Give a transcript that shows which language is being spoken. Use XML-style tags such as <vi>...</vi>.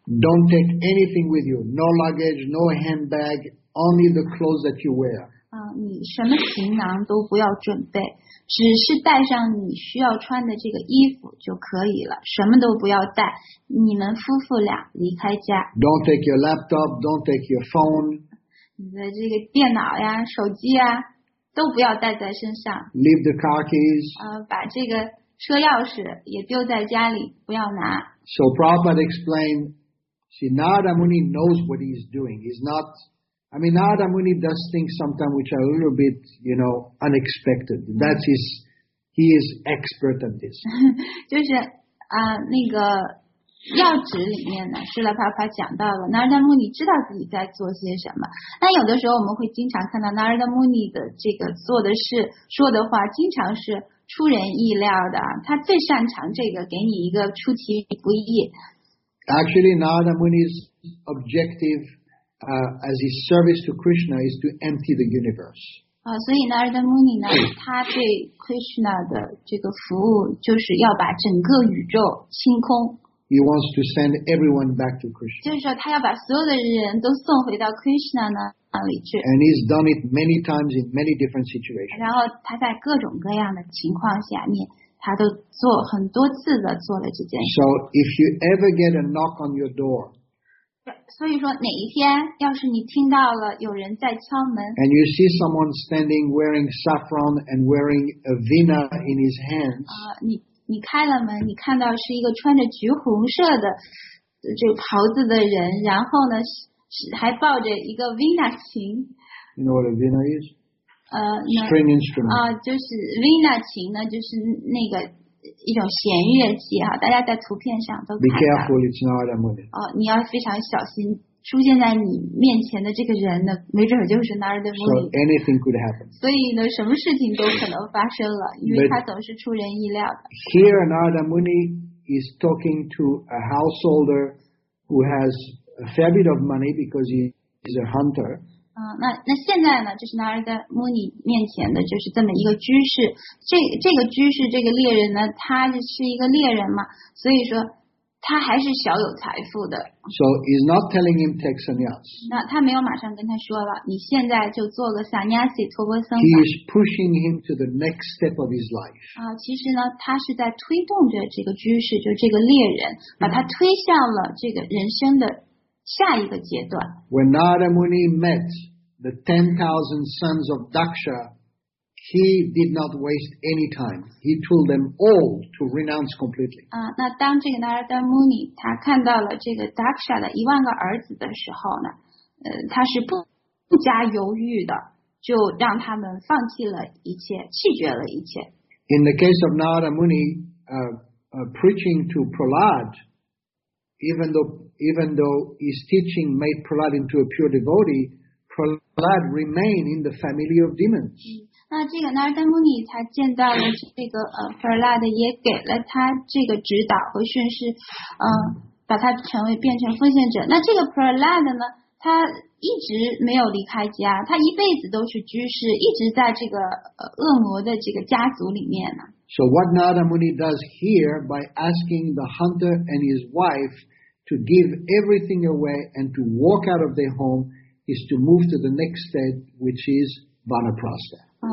<en>Don't take anything with you, no luggage, no handbag, only the clothes that you wear.</en> <zh>你什么行囊都不要准备，只是带上你需要穿的这个衣服就可以了，什么都不要带。你们夫妇俩离开家。</zh> <en>Don't take your laptop, don't take your phone.</en> <zh>你的这个电脑呀、手机呀，都不要带在身上。</zh> <en>Leave the car keys.</en> <zh>把这个车钥匙也丢在家里，不要拿。</zh> <en>So Prabhupada explained, see, Narada Muni knows what he's doing. He's not I mean, Narada Muni does things sometimes which are a little bit, you know, unexpected. That's his, he is expert at this.</en> <zh>就是那个要旨里面呢，释迦牟尼佛讲到了，Narada Muni知道自己在做些什么。但有的时候我们会经常看到Narada Muni的这个做的事，说的话经常是出人意料的。他最擅长这个，给你一个出其不意。</zh> <en>Actually, Narada Muni's objective, as his service to Krishna, is to empty the universe.</en> <zh>所以 Narada Muni 呢，他对 Krishna 的这个服务就是要把整个宇宙清空。</zh> <en>He wants to send everyone back to Krishna.</en> <zh>就是说，他要把所有的人都送回到 Krishna 那里去。</zh> <en>And he's done it many times in many different situations.</en> <zh>然后他在各种各样的情况下面。他都做很多次的做了这件事。</zh> <en>So if you ever get a knock on your door,</en> <zh>所以说哪一天要是你听到了有人在敲门</zh> <en>，and you see someone standing wearing saffron and wearing a vina in his hands,</en> <zh>你开了门，你看到是一个穿着橘红色的这个袍子的人，然后呢还抱着一个 vina 琴。</zh> <en>You know what a vina is? String instrument.</en> <zh>就是 Vina 琴呢，就是那个一种弦乐器哈，大家在图片上都看到。</zh> <en>Be careful, it's not a money.</en> <zh>你要非常小心，出现在你面前的这个人呢，没准就是 Narada Muni。</zh> <en>So anything could happen.</en> <zh>所以呢，什么事情都可能发生了，因为他总是出人意料的。</zh> <en>But、here, Narada Muni is talking to a householder who has a fair bit of money because he is a hunter.</en> <zh>那现在呢，就是Narada Muni面前的就是这么一个居士，这个居士这个猎人呢，他是一个猎人嘛，所以说他还是小有财富的。</zh> <en>So he's not telling him take sannyas.</en> <zh>那他没有马上跟他说了，你现在就做个 sannyasi 托钵僧。</zh> <en>He is pushing him to the next step of his life.</en> <zh>其实呢，他是在推动着这个居士，就这个猎人，把他推向了这个人生的。下一个阶段。</zh> <en>When Narada Muni met the 10,000 sons of Daksha, he did not waste any time. He told them all to renounce completely.</en> <zh>那当这个 Narada Muni 他看到了这个 Daksha 的一万个儿子的时候呢，他是不加犹豫的，就让他们放弃了一切，弃绝了一切。</zh> <en>In the case of Narada Muni, preaching to Prahlad, even though his teaching made Prahlad into a pure devotee, Prahlad remained in the family of demons.</en> <zh>那这个 Narada Muni 他见到了这个Prahlad 也给了他这个指导和训示，把他成为变成奉献者。那这个 Prahlad 呢，他一直没有离开家，他一辈子都是居士，一直在这个恶魔的这个家族里面呢。</zh> <en>So what Narada Muni does here by asking the hunter and his wife to give everything away and to walk out of their home is to move to the next step, which is vanaprastha.</en>